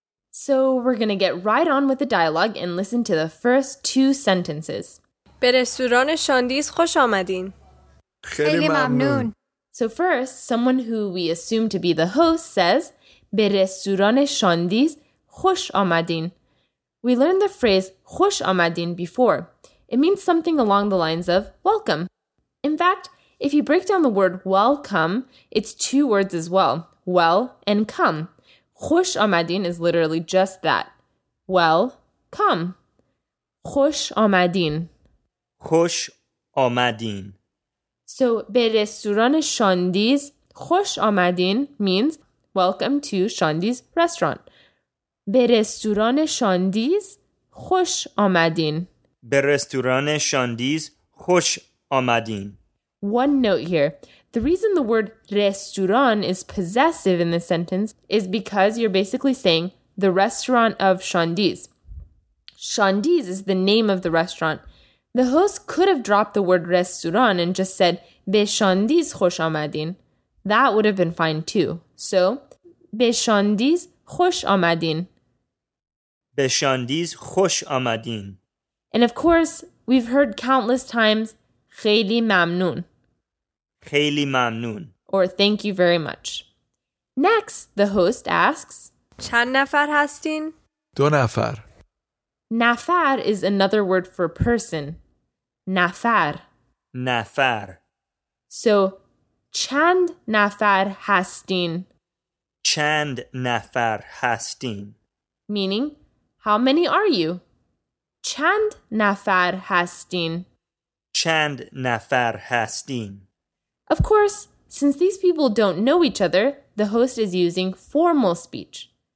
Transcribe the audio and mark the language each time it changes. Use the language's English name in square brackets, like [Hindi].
[English] So we're gonna get right on with the dialogue and listen to the first two sentences. [Persian] به رستوران شاندیز خوش آمدین. خیلی ممنون. [English] So first, someone who we assume to be the host says, [Persian] به رستوران شاندیز خوش آمدین. [English] We learned the phrase [Persian] خوش آمدین [English] before. It means something along the lines of welcome. In fact, if you break down the word welcome, it's two words as well, well and come. [Persian] خوش آمدین [English] is literally just that. Well, come. [Persian] خوش آمدین. خوش آمدین. [English] So, [Persian] به رستوران شاندیز خوش آمدین [English] means welcome to شاندیز restaurant. [Persian] به رستوران شاندیز خوش آمدین. به رستوران شاندیز خوش آمدین. [English] One note here. The reason the word رستوران is possessive in this sentence is because you're basically saying the restaurant of Shandiz. Shandiz is the name of the restaurant. The host could have dropped the word restaurant and just said [Persian] به شاندیز خوش آمدین. [English] That would have been fine too. [Persian] So, به شاندیز خوش آمدین. به شاندیز خوش آمدین. [English] And of course, we've heard countless times [Persian] خیلی ممنون. خیلی ممنون. [English] Or thank you very much. Next, the host asks [Persian] چند نفر هستین؟ دو نفر. [English] نفر is another word for person. [Persian] نفر. نفر. So, چند نفر هستین؟ چند نفر هستین. [English] Meaning, how many are you? [Persian] چند نفر هستین؟ چند نفر هستین. [English] Of course, since these people don't know each other, the host is using formal speech.